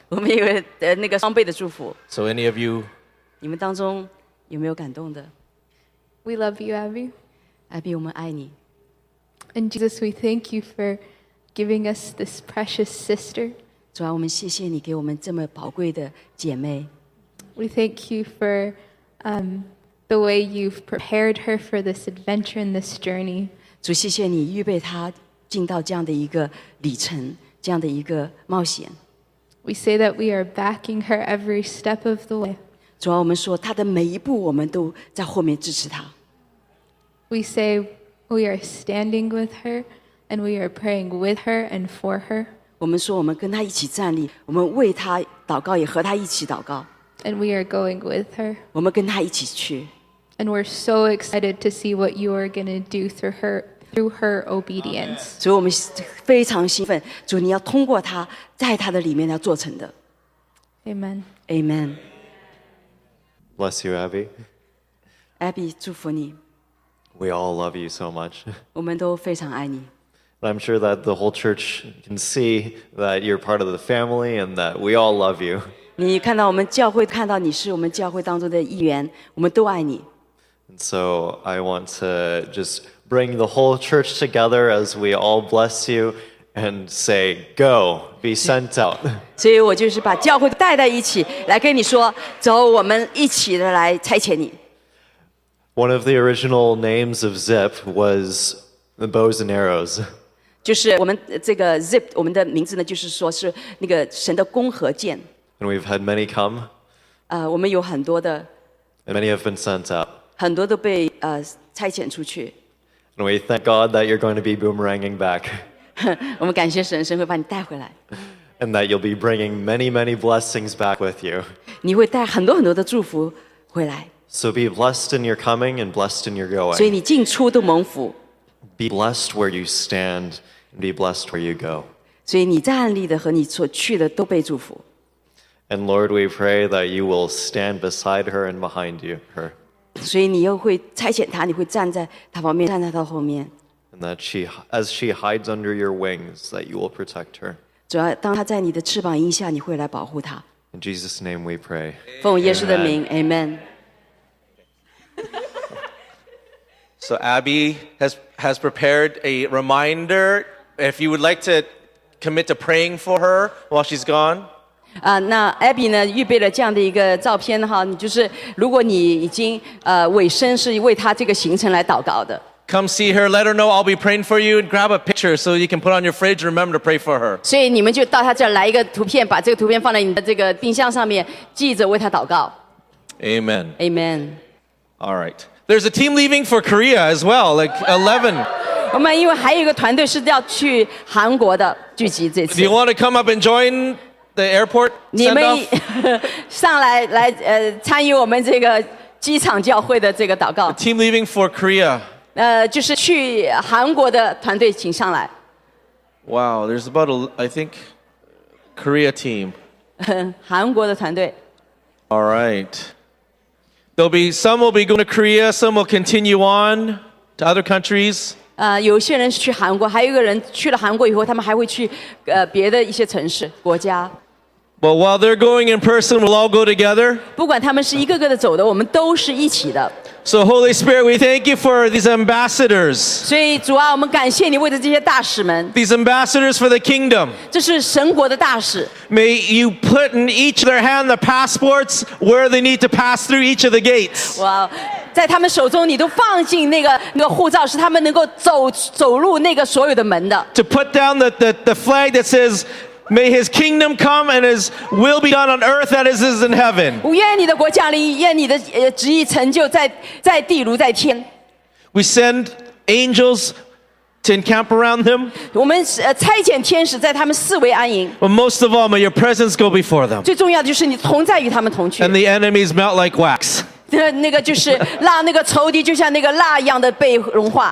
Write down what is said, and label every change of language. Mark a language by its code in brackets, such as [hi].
[zh] 我们有那个双倍的祝福。 [en] So any of you, [zh] 你们当中有没有感动的？ [en] We love you, Abby. [zh] Abby, 我们爱你。 [en] And Jesus, we thank you for giving us this precious sister. [zh] 主啊，我们谢谢你给我们这么宝贵的姐妹。 [en] We thank you for the way you've prepared her for this adventure and this journey. [zh] 主，谢谢你预备她进到这样的一个里程，这样的一个冒险。 [en] We say that we are backing her every step of the way. [zh] 主要我们说他的每一步我们都在后面支持他。 [en] We say we are standing with her and we are praying with her and for her. [zh] 我们说我们跟他一起站立，我们为他祷告，也和他一起祷告。 [en] And we are going with her. [zh] 我们跟他一起去。 [en] And we're so excited to see what you are going to do through her obedience. [zh] 所以我们非常兴奋，主你要通过他，在他的里面要做成的。 [en] Amen. Amen. Bless you, Abby. [zh] Abby, 祝福你。 [en] We all love you so much. [zh] 我们都非常爱你。 [en] I'm sure that the whole church can see that you're part of the family and that we all love you. [zh] 你看到我们教会，看到你是我们教会当中的一员，我们都爱你。 [en] And so I want to just bring the whole church together as we all bless you and say, go, be sent out. [zh] 所以我就是把教会带在一起，来跟你说，走，我们一起的来差遣你。 [en] One of the original names of Zip was the Bows and Arrows. [zh] 就是我们这个 Zip, 我们的名字呢，就是说是那个神的弓和箭。 [en] And we've had many come. [zh] 我们有很多的。 [en] And many have been sent out. [zh] 很多都被差遣出去。 [en] And we thank God that you're going to be boomeranging back. [zh] 我们感谢神，神会把你带回来。 [en] And that you'll be bringing many, many blessings back with you. [zh] 你会带很多很多的祝福回来。 [en] So be blessed in your coming and blessed in your going. [zh] 所以你进出都蒙福。 [en] Be blessed where you stand and be blessed where you go. [zh] 所以你站立的和你所去的都被祝福。 [en] And Lord, we pray that you will stand beside her and behind you, her. [zh] 所以你又会差遣她，你会站在她旁边，站在她后面。 [en] And that she, as she hides under your wings, that you will protect her. [zh] 主要当她在你的翅膀荫下，你会来保护她。 [en] In Jesus' name we pray. [zh] 奉耶稣的名 ，Amen。 [en] Amen. So Abby has prepared a reminder. If you would like to commit to praying for her while she's gone. [zh] 那 Abby 呢预备了这样的一个照片哈，你就是如果你已经尾声是为她这个行程来祷告的。 [en] Come see her. Let her know I'll be praying for you. And grab a picture so you can put on your fridge. Remember to pray for her. [zh] 所以你们就到她这儿来一个图片，把这个图片放在你的这个冰箱上面，记着为她祷告。 [en] Amen. Amen. All right. There's a team leaving for Korea as well, like 11. [zh] 我们因为还有一个团队是要去韩国的聚集这次。 [en] Do you want to come up and join the airport? [zh] 你们上来来参与我们这个机场教会的这个祷告。 [en] A team leaving for Korea. [zh] 就是去韩国的团队请上来。 [en] Wow, there's about I think Korea team. [zh] 韩国的团队。 [en] All right. Some will be going to Korea, some will continue on to other countries. [zh] 有些人去韩国，还有一个人去了韩国以后，他们还会去别的一些城市、国家。 [en] But while they're going in person, we'll all go together. [zh] 不管他们是一个个的走的，我们都是一起的。 [en] So Holy Spirit, we thank you for these ambassadors. [zh] 所以主啊，我们感谢你为着这些大使们。 [en] These ambassadors for the kingdom. [zh] 这是神国的大使。 [en] May you put in each of their hand the passports where they need to pass through each of the gates. [zh] 哇，在他们手中你都放进那个护照，是他们能够走入那个所有的门的。 [en] To put down the flag that says. May his kingdom come and his will be done on earth as it is in heaven. [zh] 愿你的国降临，愿你的旨意成就在地如在天。 [en] We send angels to encamp around them. [zh] 我们差遣天使在他们四围安营。 [en] But most of all, may your presence go before them. [zh] 最重要的就是你同在与他们同去。 [en] And the enemies melt like wax. [zh] 那个就是让那个仇敌就像那个蜡一样的被融化。